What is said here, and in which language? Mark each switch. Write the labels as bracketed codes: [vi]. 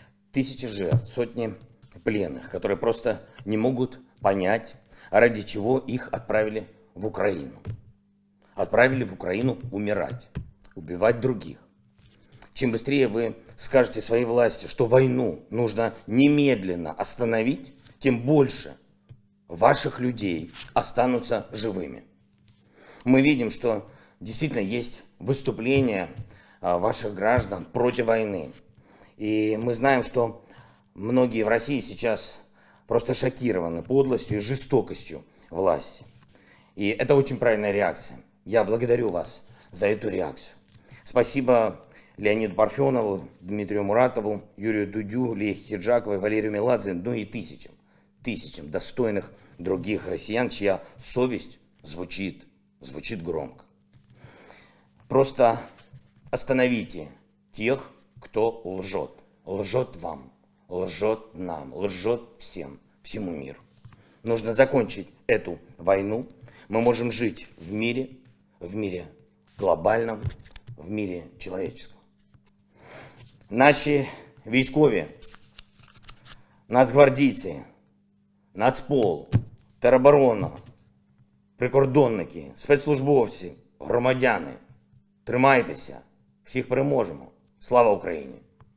[uk] Тисячі жертв, сотні пленних, які просто не можуть зрозуміти, ради чого їх відправили в Україну. Відправили в Україну умирати, вбивати інших. Чим швидше ви скажете своїй владі, що війну потрібно немедленно зупинити, тим більше ваших людей залишаться живими. [ru] Мы видим, что действительно есть выступления ваших граждан против войны. И мы знаем, что многие в России сейчас просто шокированы подлостью и жестокостью власти. И это очень правильная реакция. Я благодарю вас за эту реакцию. Спасибо Леониду Парфенову, Дмитрию Муратову, Юрию Дудю, Лии Хиджаковой, Валерию Меладзе, ну и тысячам, тысячам достойных других россиян, чья совесть звучит. Звучит громко. Просто остановите тех, кто лжет. Лжет вам, лжет нам, лжет всем, всему миру. Нужно закончить эту войну. Мы можем жить в мире глобальном, в мире человеческом. [uk] наші військові, нацгвардійці, нацпол, тероборона, прикордонники, спецслужбовці, громадяни, тримайтеся, всіх переможемо. Слава Україні!